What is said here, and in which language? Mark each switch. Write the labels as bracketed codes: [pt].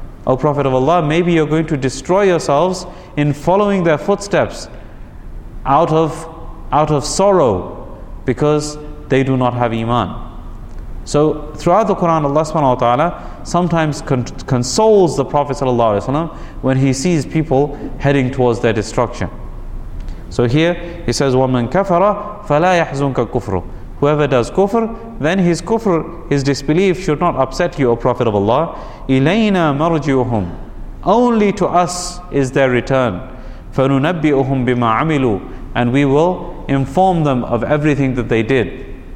[en] O Prophet of Allah, maybe you're going to destroy yourselves in following their footsteps out of sorrow because they do not have Iman. So throughout the Quran, Allah subhanahu wa ta'ala sometimes consoles the Prophet sallallahu alaihi wasallam when he sees people heading towards their destruction. So here he says, [ar] وَمَنْ كَفَرَ فَلَا يَحْزُنْكَ كُفْرُ. [en] Whoever does kufr, then his kufr, his disbelief should not upset you, O Prophet of Allah. [ar] إِلَيْنَا مَرْجِعُهُمْ. [en] Only to us is their return. [ar] فَنُنَبِّئُهُمْ بِمَا عَمِلُوا. [en] And we will inform them of everything that they did.